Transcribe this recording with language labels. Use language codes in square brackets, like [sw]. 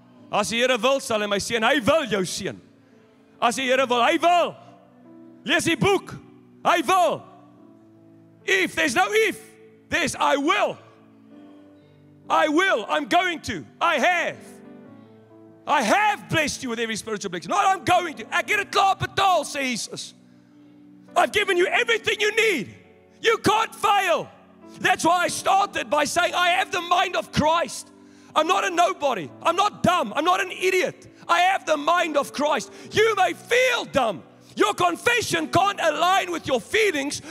[af] As die Here wil, sal hy my seën. Hy wil jou seën. As die Here wil, hy wil. Lees die boek. Hy wil. [en] If, there's no if. There's I will. I will. I'm going to. I have blessed you with every spiritual blessing. Not I'm going to. [af] Ek het dit klaar betaal, sê Jesus. [en] I've given you everything you need. You can't fail. That's why I started by saying I have the mind of Christ. I'm not a nobody. I'm not dumb. I'm not an idiot. I have the mind of Christ. You may feel dumb. Your confession can't align with your feelings.